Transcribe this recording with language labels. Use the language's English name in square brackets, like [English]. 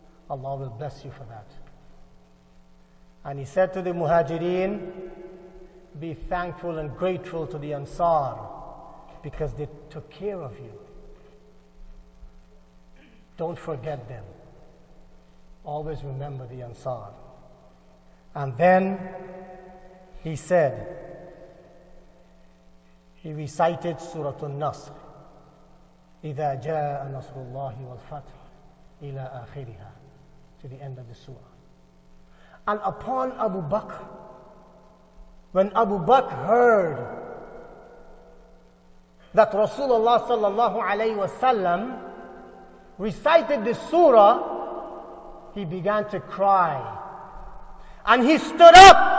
[English] Allah will bless you for that. And he said to the muhajireen, be thankful and grateful to the Ansar because they took care of you. Don't forget them. Always remember the Ansar. And then he said, he recited Surah An-Nasr. [Arabic] إِذَا جَاءَ نَصْرُ اللَّهِ وَالْفَتْحِ إِلَىٰ آخِرِهَا, [English] to the end of the surah. And upon Abu Bakr, when Abu Bakr heard that Rasulullah sallallahu alayhi wa sallam recited the surah, he began to cry. And he stood up.